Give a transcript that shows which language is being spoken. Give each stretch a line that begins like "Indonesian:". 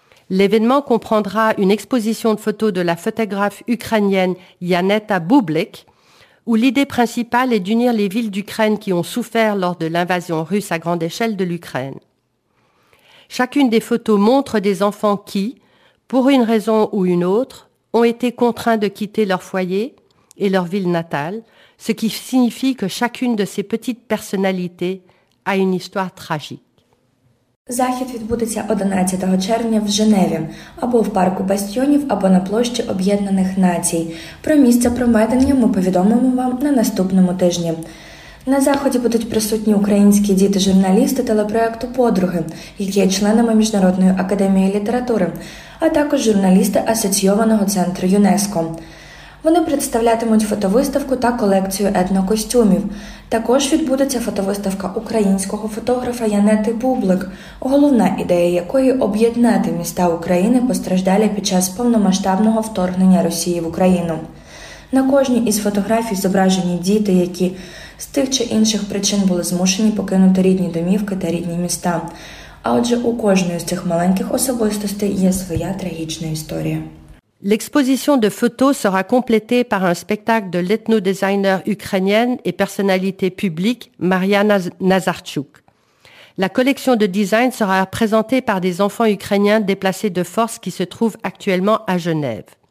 French: L'événement comprendra une exposition de photos de la photographe ukrainienne Yaneta Bublik, où l'idée principale est d'unir les villes d'Ukraine qui ont souffert lors de l'invasion russe à grande échelle de l'Ukraine. Chacune des photos montre des enfants qui, pour une raison ou une autre, ont été contraints de quitter leur foyer et leur ville natale, ce qui signifie que chacune de ces petites personnalités a une histoire tragique.
Ukrainian: Захід відбудеться 11 червня в Женеві, або в парку Бастіонів, або на площі Об'єднаних Націй. Про місце проведення ми повідомимо вам на наступному тижні. На заході будуть присутні українські діти-журналісти телепроекту «Подруги», які є членами Міжнародної академії літератури, а також журналісти асоційованого центру ЮНЕСКО. Вони представлятимуть фотовиставку та колекцію етнокостюмів. Також відбудеться фотовиставка українського фотографа Янети Бублик, головна ідея якої – об'єднати міста України, постраждалі під час повномасштабного вторгнення Росії в Україну. На кожній із фотографій зображені діти, які з тих чи інших причин були змушені покинути рідні домівки та рідні міста. А отже, у кожної з цих маленьких особистостей є своя трагічна історія.
French: L'exposition de photos sera complétée par un spectacle de l'ethno-designer ukrainienne et personnalité publique Mariana Nazarchuk. La collection de design sera présentée par des enfants ukrainiens déplacés de force qui se trouvent actuellement à Genève.